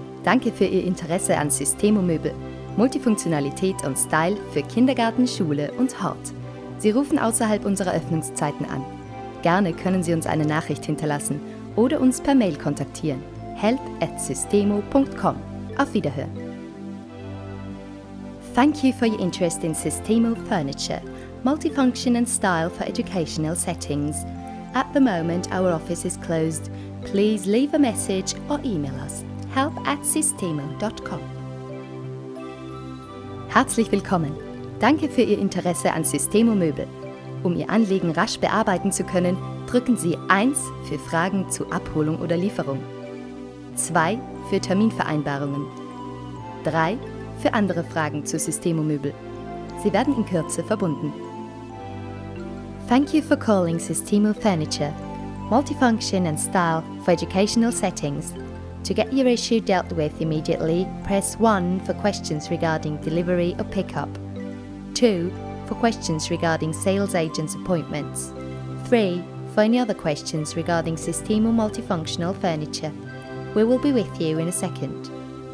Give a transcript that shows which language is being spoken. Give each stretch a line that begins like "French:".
German: Danke für Ihr Interesse an Systemomöbel, Multifunktionalität und Style für Kindergarten, Schule und Hort. Sie rufen außerhalb unserer Öffnungszeiten an. Gerne können Sie uns eine Nachricht hinterlassen oder uns per Mail kontaktieren. help@systemo.com. Auf Wiederhören.
English: Thank you for your interest in Systemo Furniture, multifunction and style for educational settings. At the moment, our office is closed. Please leave a message or email us. help@systemo.com.
German: Herzlich willkommen. Danke für Ihr Interesse an Systemo Möbel. Um Ihr Anliegen rasch bearbeiten zu können, drücken Sie 1 für Fragen zu Abholung oder Lieferung, 2 für Terminvereinbarungen, 3 für andere Fragen zu Systemo Möbel. Sie werden in Kürze verbunden.
English: Thank you for calling Systemo Furniture, multifunction and style for educational settings. To get your issue dealt with immediately, press 1 for questions regarding delivery or pickup, 2 for questions regarding sales agent's appointments, 3 for any other questions regarding Systemo multifunctional furniture. We will be with you in a second.